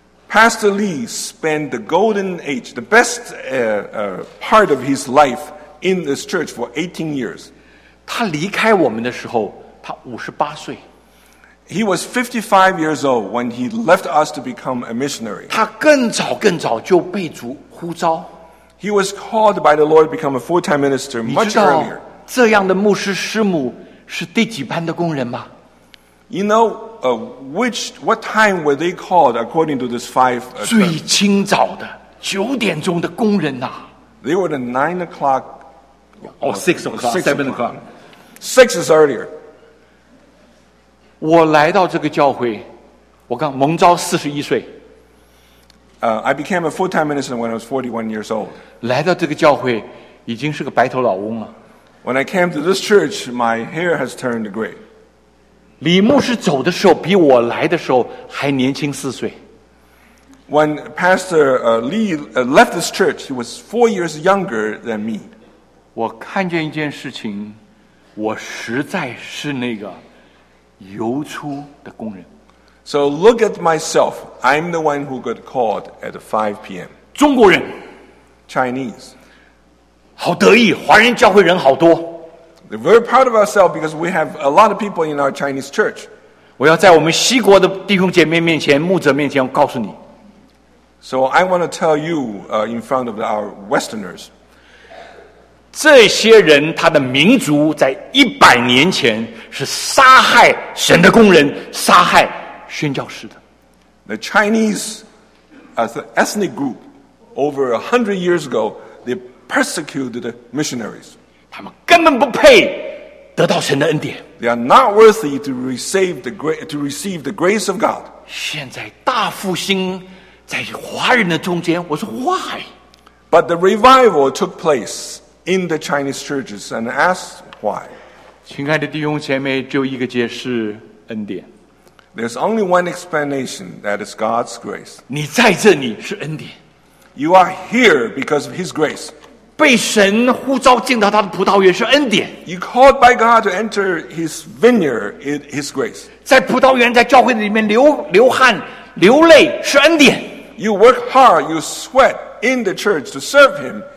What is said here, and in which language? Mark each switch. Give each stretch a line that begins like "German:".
English: Pastor Lee spent the golden age, the best part of his life in this church for 18 years.
Chinese: 他离开我们的时候，他五十八岁。
English: He was 55 years old when he left us to become a missionary.
Chinese: 他更早就被主呼召。
English: He was called by the Lord to become a full-time minister much earlier.
Chinese: 你知道这样的牧师师母是第几班的工人吗？
English: You know, what time were they called according to this five?
Chinese: 最清早的九点钟的工人呐。
English: They were the 9 o'clock. Oh, 6 o'clock, 7 o'clock. Six is earlier.
Chinese: 我来到这个教会，我刚蒙召41岁。
English: I became a full-time minister when I was 41 years old.
Chinese: 来到这个教会已经是个白头老翁了。
English: When I came to this church, my hair has turned gray.
Chinese: 李牧师走的时候比我来的时候还年轻4岁。
English: When Pastor Lee left this church, he was 4 years younger than me.
Chinese: 我看见一件事情，我实在是那个游出的工人。
English: So look at myself. I'm the one who got called at 5 p.m.
Chinese: 中国人
English: Chinese.
Chinese: 好得意，华人教会人好多。
English: We're very proud of ourselves because we have a lot of people in our Chinese church.
Chinese: 我要在我们西国的弟兄姐妹面前、牧者面前，我告诉你。
English: So I want to tell you in front of our Westerners.
Chinese: 这些人他的民族在100年前是杀害神的工人，杀害。宣教士的
English: The Chinese ethnic group over 100 years ago, they persecuted the missionaries.
Chinese: 他们根本不配得到神的恩典。
English: They are not worthy to receive the grace of God.
Chinese: 现在大复兴在华人的中间，我说
English: why? But the revival took place in the Chinese churches, and ask why.
Chinese: 亲爱的弟兄姐妹，只有一个解释，恩典。
English: There's only one explanation, that is God's grace.
Chinese: 你在这里是恩典。
English: You are here because of His grace.
Chinese: 被神呼召进到他的葡萄园是恩典。
English: You called by God to enter His vineyard, His grace.
Chinese: 在葡萄园，在教会里面流汗、流泪是恩典。
English: You work hard, you sweat in the church to serve Him.